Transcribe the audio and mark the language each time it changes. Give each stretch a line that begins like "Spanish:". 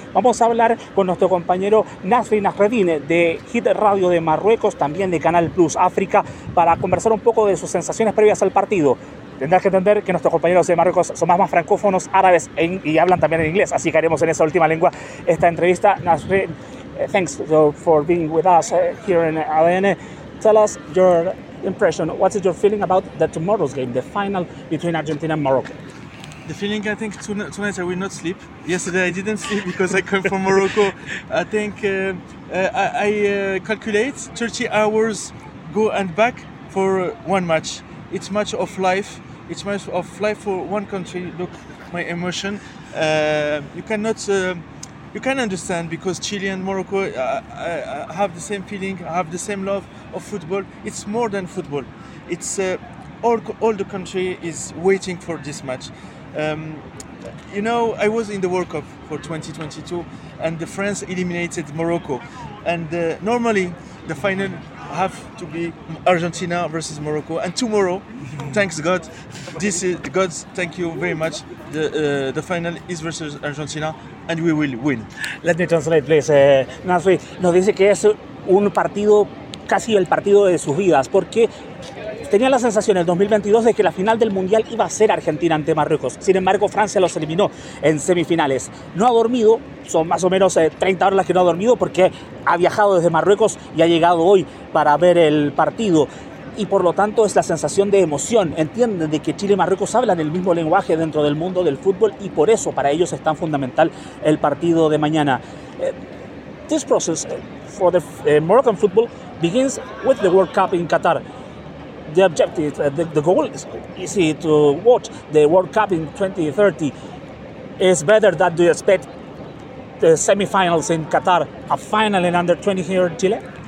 Spanish: Vamos a hablar con nuestro compañero Nasri Nasreddin, de Hit Radio de Marruecos, también de Canal Plus África, para conversar un poco de sus sensaciones previas al partido. Tendrás que entender que nuestros compañeros de Marruecos son más francófonos, árabes y hablan también en inglés, así que haremos en esa última lengua esta entrevista.
English: Nasri, thanks for being with us here in ALN. Tell us your impression. What is your feeling about the tomorrow's game, the final between Argentina and Morocco? The feeling, I think tonight I will not sleep. Yesterday I didn't sleep because I come from Morocco. I think I calculate 30 hours go and back for one match. It's much of life. It's much of life for one country. Look, my emotion. You can understand because Chile and Morocco have the same feeling. Have the same love of football. It's more than football. It's all the country is waiting for this match. You know, I was in the World Cup for 2022, and the France eliminated Morocco. And normally, the final have to be Argentina versus Morocco. And tomorrow, thanks God, this is God. Thank you very much. The final is versus Argentina, and we will win. Let me translate, please.
Spanish: Nasri nos dice que es un partido, casi el partido de sus vidas, porque tenía la sensación en el 2022 de que la final del Mundial iba a ser Argentina ante Marruecos. Sin embargo, Francia los eliminó en semifinales. No ha dormido, son más o menos 30 horas las que no ha dormido, porque ha viajado desde Marruecos y ha llegado hoy para ver el partido. Y por lo tanto es la sensación de emoción. Entienden de que Chile y Marruecos hablan el mismo lenguaje dentro del mundo del fútbol, y por eso para ellos es tan fundamental el partido de mañana.
English: This process for the Moroccan football begins with the World Cup in Qatar. The objective, the goal is easy to watch. The World Cup in 2030 is better than do you expect the semifinals in Qatar, a final in under 20 here in Chile?